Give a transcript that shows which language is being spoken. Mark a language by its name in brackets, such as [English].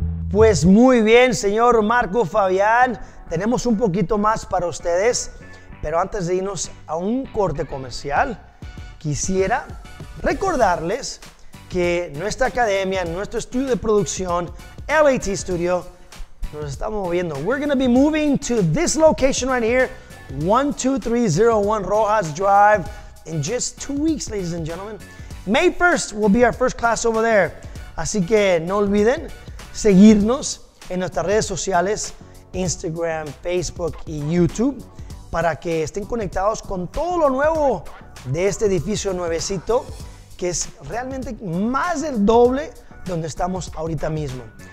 [Spanish] Pues muy bien, señor Marco Fabián. Tenemos un poquito más para ustedes, pero antes de irnos a un corte comercial, quisiera recordarles que nuestra academia, nuestro estudio de producción, LAT Studio, nos está moviendo. [English] We're going to be moving to this location right here, 12301 Rojas Drive, in just 2 weeks, ladies and gentlemen. May 1st will be our first class over there. [Spanish] Así que no olviden seguirnos en nuestras redes sociales, Instagram, Facebook y YouTube, para que estén conectados con todo lo nuevo de este edificio nuevecito, que es realmente más del doble donde estamos ahorita mismo.